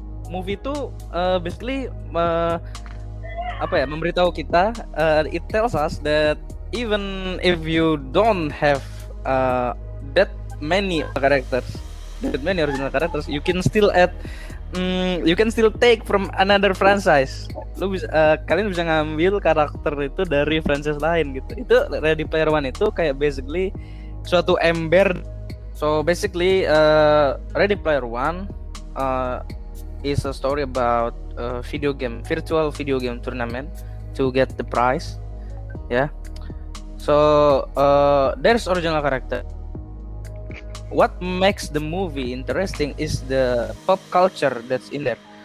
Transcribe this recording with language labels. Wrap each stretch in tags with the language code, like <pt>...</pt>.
<id>Movie itu basically memberitahu kita.</id> <en>It tells us that even if you don't have that many characters, that many original characters, you can still add. You can still take from another franchise.</en> <id>Lu bisa, kalian bisa ngambil karakter itu dari franchise lain gitu. Itu Ready Player One itu kayak basically suatu ember.</id> <en>So basically Ready Player One is a story about a video game, virtual video game tournament to get the prize. Yeah. So there's original character. What makes the movie interesting is the pop culture that's in there.</en>